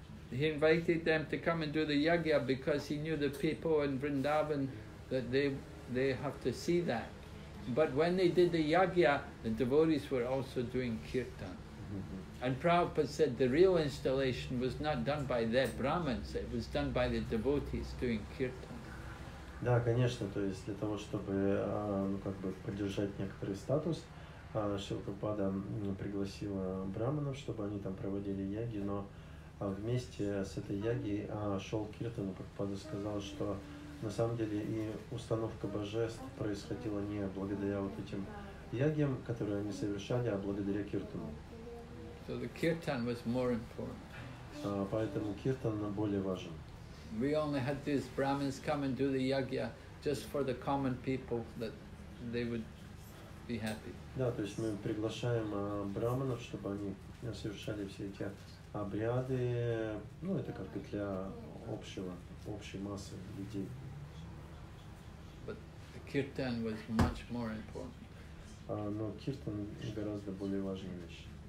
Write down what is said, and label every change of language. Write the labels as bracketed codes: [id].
[en] He invited them to come and do the yajna because he knew the people in Vrindavan that they have to see that. But when they did the yajna, the devotees were also doing kirtan. Mm-hmm. And Prabhupada said the real installation was not done by their brahmins, it was done by the devotees doing kirtan. [ru] Да, конечно, то есть для того, чтобы поддержать некоторый статус, Шрила Прабхупада пригласила брахманов, чтобы они там проводили яги, но вместе с этой яги шел киртан. Прабхупада сказал, что на самом деле и установка божеств происходила не благодаря вот этим ягьям, которые они совершали, а благодаря киртану. [en] So the kirtan was more important. [ru] Поэтому киртан более важен. [en] We only had these brahmins come and do the yagya just for the common people that they would be happy. [ru] Да, то есть мы приглашаем брахманов, чтобы они совершали все эти обряды, ну это как бы для общей массы людей. [en] But the kirtan was much more important. [ru] Но киртан гораздо более важная вещь.